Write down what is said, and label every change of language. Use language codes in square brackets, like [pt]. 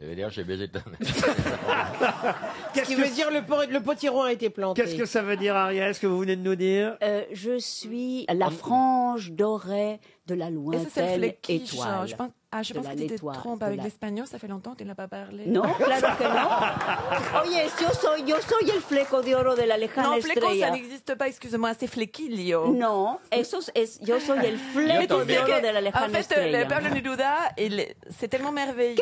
[fr] Ça veut dire j'ai baisé ta mère. Ce qui veut dire le potiron a été planté. Qu'est-ce que ça veut dire, Ariel, ce que vous venez de nous dire? Je suis la frange dorée de la lointaine étoile. Je pense... Ah, je pense que tu te trompes avec l'espagnol, ça fait longtemps que tu n'as pas parlé. Non, [es] claro que [fr] non. [es] Oye, yo soy el fleco de oro de la lejana [fr] non, [es] estrella. [fr] Non, fleco, ça n'existe pas, excuse-moi, c'est flequillo. [es] Non, eso es, yo soy el fleco de oro de la lejana [fr] en fait, [es] estrella. [fr] En fait, le Pablo Neruda, c'est tellement merveilleux.